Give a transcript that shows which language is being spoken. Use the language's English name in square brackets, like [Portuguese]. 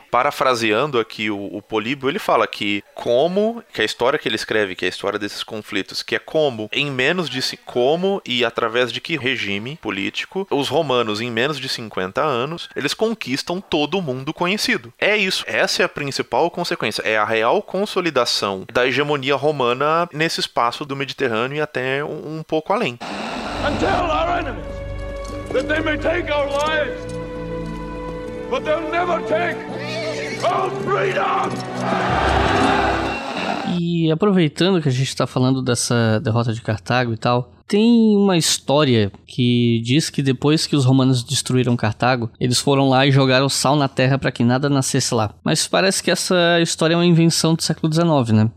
[Portuguese] Parafraseando aqui o Políbio, ele fala que como, que a história que ele escreve, que é a história desses conflitos, que é como, em menos de como e através de que regime político, os romanos, em menos de 50 anos, eles conquistam todo o mundo conhecido. É isso. Essa é a principal consequência. É a real consolidação da hegemonia romana nesse espaço do Mediterrâneo e até um pouco além. [English] Tell our enemies that they may take our lives, but they'll never take our freedom! [Portuguese] E aproveitando que a gente está falando dessa derrota de Cartago e tal, tem uma história que diz que depois que os romanos destruíram Cartago, eles foram lá e jogaram sal na terra para que nada nascesse lá. Mas parece que essa história é uma invenção do século XIX, né?